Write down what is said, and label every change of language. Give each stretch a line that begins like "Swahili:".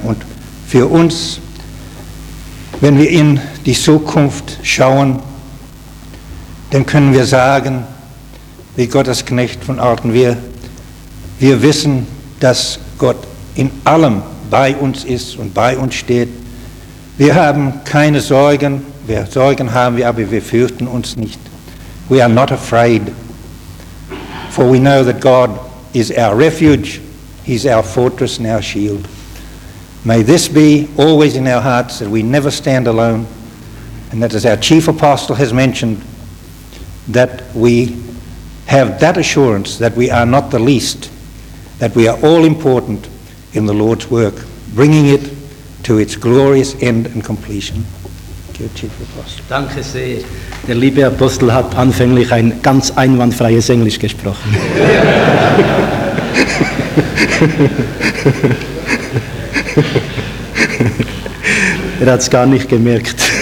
German: Und für uns, wenn wir in die Zukunft schauen, dann können wir sagen, wie Gottes Knecht von Orten, wir wissen, dass Gott in allem bei uns ist und bei uns steht. Wir haben keine Sorgen, Sorgen haben wir, aber wir fürchten uns nicht.
English: We are not afraid, for we know that God is our refuge, he's our fortress and our shield. May this be always in our hearts, that we never stand alone, and that as our chief apostle has mentioned, that we have that assurance that we are not the least, that we are all important in the Lord's work, bringing it to its glorious end and completion.
German: Danke sehr. Der liebe Apostel hat anfänglich ein ganz einwandfreies Englisch gesprochen. Er hat es gar nicht gemerkt.